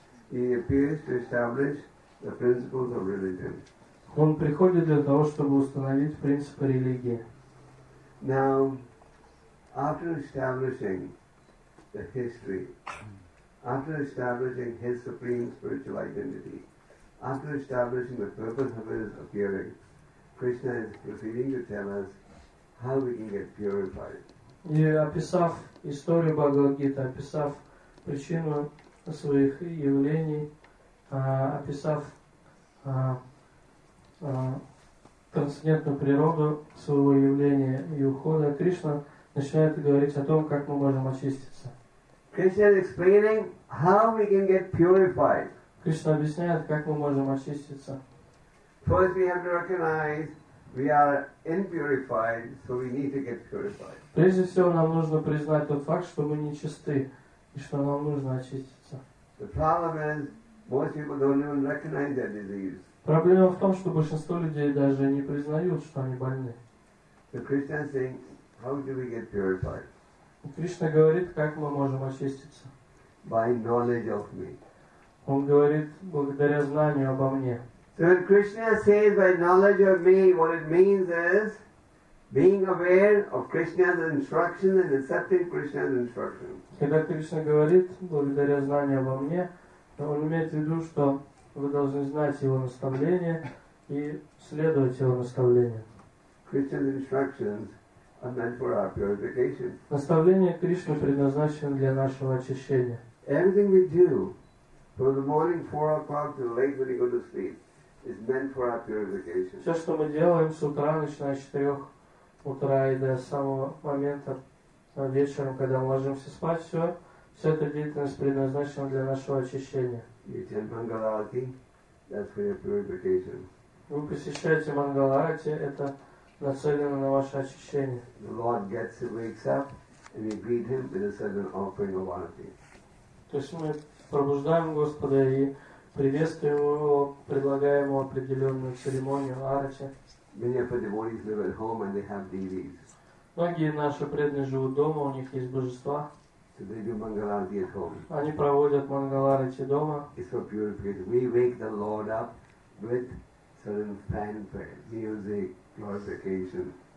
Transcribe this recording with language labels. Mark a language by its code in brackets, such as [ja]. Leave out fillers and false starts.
[en] He appears to establish the principles of religion. [ru] Он приходит для того, чтобы установить принципы религии. [en] Now, after establishing the history, after establishing his supreme spiritual identity, after establishing the purpose of his appearing, Krishna is proceeding to tell us how we can get purified. [ru] И описав историю Бхагавад-гиты, описав причину своих явлений, описав трансцендентную природу своего явления и ухода, Кришна начинает говорить о том, как мы можем очиститься. [en] Krishna is explaining how we can get purified. [ru] Кришна объясняет, как мы можем очиститься. [en] First we have to recognize we are impurified, so we need to get purified. [ru] Прежде всего нам нужно признать тот факт, что мы нечисты и что нам нужно очиститься. [en] The problem is most people don't even recognize their disease. [ru] Проблема в том, что большинство людей даже не признают, что они больны. [en] So Krishna is saying, how do we get purified? [ru] Кришна говорит, как мы можем очиститься. [en] By knowledge of me. [ru] Он говорит, благодаря знанию обо мне. [en] So when Krishna says by knowledge of me, what it means is being aware of Krishna's instruction and accepting Krishna's instruction. [ru] Когда Кришна говорит, благодаря знанию обо мне, он имеет в виду, что вы должны знать его наставление и следовать его наставлению. [en] Krishna's instructions. And then for our purification. [ru] Наставление Кришны предназначено для нашего очищения. [en] Everything we do, from the morning 4 o'clock to the late when we go to sleep, is meant for our purification. [ru] Все, что мы делаем с утра, начиная с 4 утра и до самого момента вечером, когда мы ложимся спать, все эта деятельность предназначена для нашего очищения. [en] You attend Mangalarati, that's for your purification. [ru] Вы посещаете Мангаларати, это нацелено на ваше очищение. [en] The Lord gets it, wakes up, and we greet him with a certain offering of arati. [ru] То есть мы пробуждаем Господа и приветствуем его, предлагаем ему определенную церемонию арати. [en] Many of our devotees live at home and they have deities. [ru] Многие наши преданные живут дома, у них есть божества. Они проводят мангаларати дома. [en] It's so purified. We wake the Lord up with certain fanfare, music, glorification.